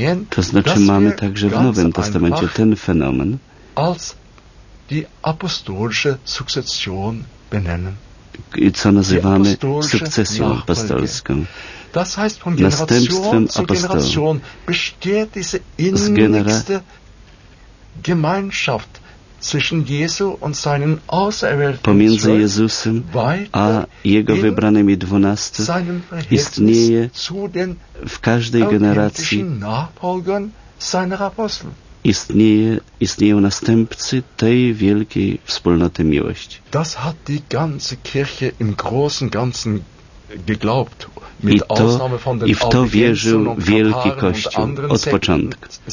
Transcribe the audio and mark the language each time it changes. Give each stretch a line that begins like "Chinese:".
Polish: To znaczy mamy także w Nowym Testamencie ten fenomen,
German: als die apostolische Sukzession benennen.
Polish: Co nazywamy sukcesją apostolską.
German: Das heißt, von Generation zu Generation besteht diese innigste Gemeinschaft zwischen Jesu und seinen Auserwählten.
Polish: Pomiędzy Jezusem a jego wybranymi 12 istnieje w każdej generacji
German: Nachfolgern seiner Apostel.
Polish: Istnieją następcy tej wielkiej wspólnoty miłości.
German: Das hat die ganze Kirche im großen Ganzen geglaubt,
Polish: i w to wierzył wielki Kościół od początku.